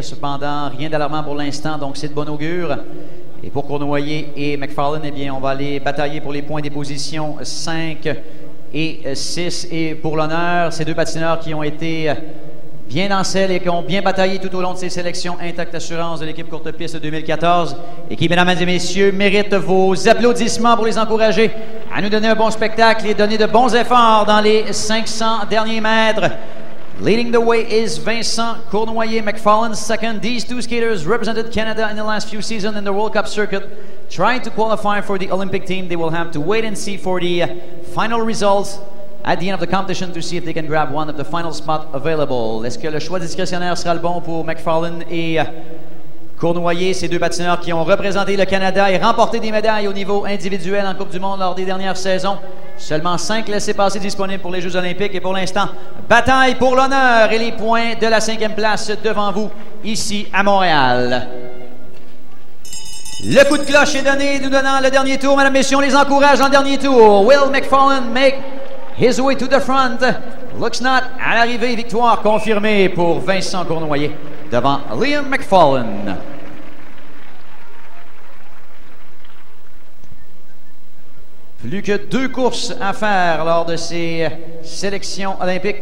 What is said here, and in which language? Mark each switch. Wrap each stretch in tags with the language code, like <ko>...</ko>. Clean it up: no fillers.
<fr>Cependant, rien d'alarmant pour l'instant, donc c'est de bon augure. Et pour Cournoyer et McFaulin, eh bien, on va aller batailler pour les points des positions 5 et 6, et pour l'honneur, ces deux patineurs qui ont été bien dans celle et qui ont bien bataillé tout au long de ces sélections Intact Assurance de l'équipe courte piste 2014 et qui, mesdames et messieurs, méritent vos applaudissements pour les encourager à nous donner un bon spectacle et donner de bons efforts dans les 500 derniers mètres.</fr> <en>Leading the way is Vincent Cournoyer, McFaulin second. These two skaters represented Canada in the last few seasons in the World Cup circuit. Trying to qualify for the Olympic team, they will have to wait and see for the final results at the end of the competition to see if they can grab one of the final spots available.</en> <fr>Est-ce que le choix discrétionnaire sera le bon pour McFaulin et Cournoyer, ces deux patineurs qui ont représenté le Canada et remporté des médailles au niveau individuel en Coupe du Monde lors des dernières saisons? Seulement 5 laissés-passer disponibles pour les Jeux olympiques et pour l'instant, bataille pour l'honneur et les points de la 5e place devant vous ici à Montréal. Le coup de cloche est donné, nous donnant le dernier tour. Mesdames, Messieurs, on les encourage en dernier tour.</fr> <en>Will McFarlane make his way to the front. Looks not.</en> <fr>À l'arrivée, victoire confirmée pour Vincent Cournoyer devant Liam McFarlane. Plus que deux courses à faire lors de ces sélections olympiques.</fr>